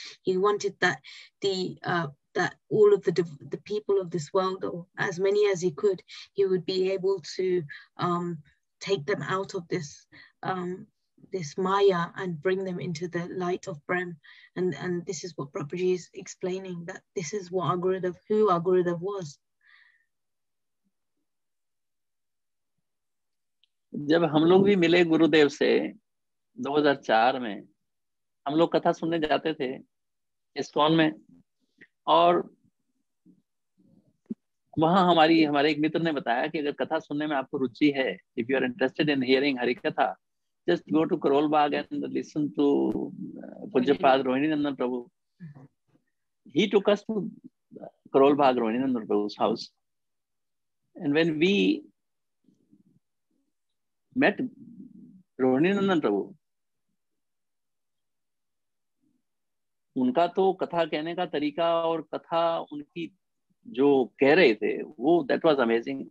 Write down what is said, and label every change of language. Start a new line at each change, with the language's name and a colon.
English: He wanted that that all of the people of this world, or as many as he could, he would be able to take them out of this this Maya and bring them into the light of Brahm. And this is what Prabhupada is explaining, that this is what who our Gurudev was.
Hindi: जब हम लोग भी मिले गुरुदेव से 2004 में, हम लोग कथा सुनने जाते थे इस्कॉन में, और वहां हमारे एक मित्र ने बताया कि अगर कथा सुनने में आपको रुचि है,
English: If you are interested in hearing Harikatha, just go to Karol Bagh and listen to Pujyapad Rohininandan Prabhu. He took us to Karol Bagh Rohininandan Prabhu's house. And when we met Rohininandan Prabhu,
Hindi: उनका तो कथा कहने का तरीका और कथा उनकी जो कह रहे थे वो,
English: that was amazing.